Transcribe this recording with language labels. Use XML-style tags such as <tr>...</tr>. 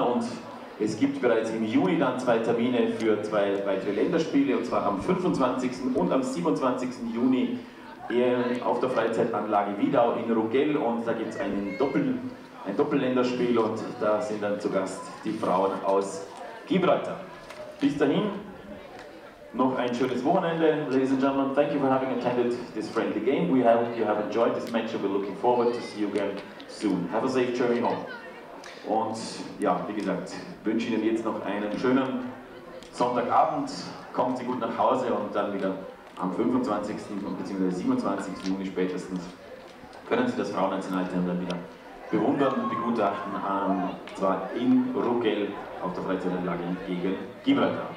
<de>Und es gibt bereits im Juni dann zwei Termine für zwei weitere Länderspiele, und zwar am 25. und am 27. Juni auf der Freizeitanlage Wiedau in Rugell. Und da gibt es ein Doppelländerspiel, und da sind dann zu Gast die Frauen aus Gibraltar. Bis dahin noch ein schönes Wochenende.</de> <en>Ladies and gentlemen, thank you for having attended this friendly game. We hope you have enjoyed this match, and we're looking forward to see you again soon. Have a safe journey home.</en> <de>Und ja, wie gesagt, wünsche Ihnen jetzt noch einen schönen Sonntagabend. Kommen Sie gut nach Hause, und dann wieder am 25. bzw. 27. Juni spätestens können Sie das Frauennationalteam dann wieder bewundern und begutachten, zwar in Rugell auf der Freizeitanlage gegen Gibraltar.</de>